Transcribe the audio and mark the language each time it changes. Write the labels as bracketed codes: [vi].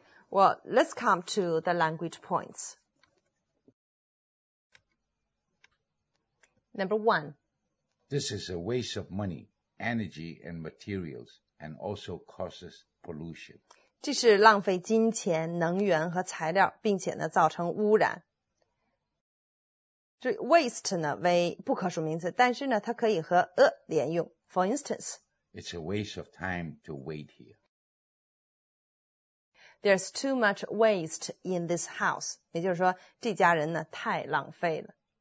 [en] Well, let's come to the language points. Number one. This is a waste of money, energy, and materials, and also causes pollution. [zh] 这是浪费金钱、能源和材料，并且呢造成污染。这 waste 呢为不可数名词，但是呢它可以和连用。 [en] For instance, it's a waste of time to wait here. There's too much waste in this house. [zh] 也就是说，这家人呢太浪费了。